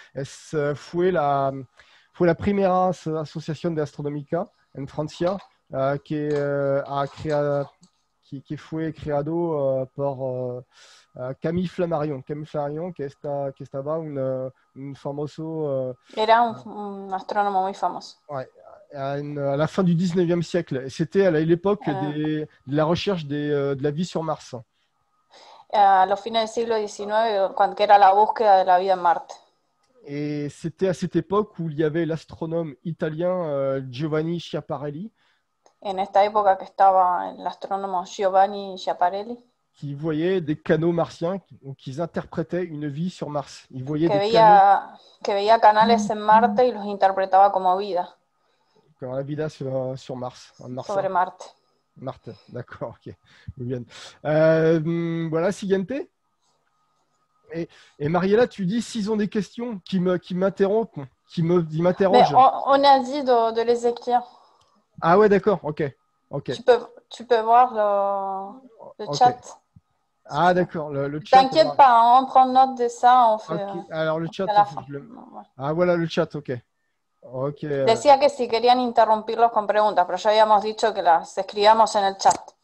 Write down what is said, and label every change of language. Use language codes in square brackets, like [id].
[es] Es fue la primera asociación de astronómica en Francia que ha creado que fue creado por Camille Flammarion. Camille Flammarion que estaba un famoso era un astrónomo muy famoso. [fr] Ouais. À la fin du 19e siècle, c'était à l'époque de la recherche de la vie sur Mars. [es] A los fines del siglo XIX, cuando era la búsqueda de la vida en Marte. [fr] Y c'était à cette époque où il y avait l'astronome italien Giovanni Schiaparelli. [es] En esta época que estaba el astrónomo Giovanni Schiaparelli. [fr] Qui voyait des canaux martiens, donc ils interprétaient une vie sur Mars. Ils voyaient des canaux. [es] Que veía canales en Marte y los interpretaba como vida. [fr] Comme la vida sur Mars. [es] Sobre Marte. [fr] Marte, d'accord, ok, [es] muy bien. [fr] Voilà, [es] siguiente. [fr] Et Mariela, tu dis s'ils ont des questions qui m'interrogent. On a dit de les écrire. Ah ouais, d'accord, ok. Okay. Tu peux voir le okay. Chat. Ah d'accord, le chat. T'inquiète pas, on prend note de ça. On fait, okay. Alors le chat, ah voilà, le chat, ok. Okay. [es] Decía que si querían interrumpirlos con preguntas, pero ya habíamos dicho que las escribíamos en el chat.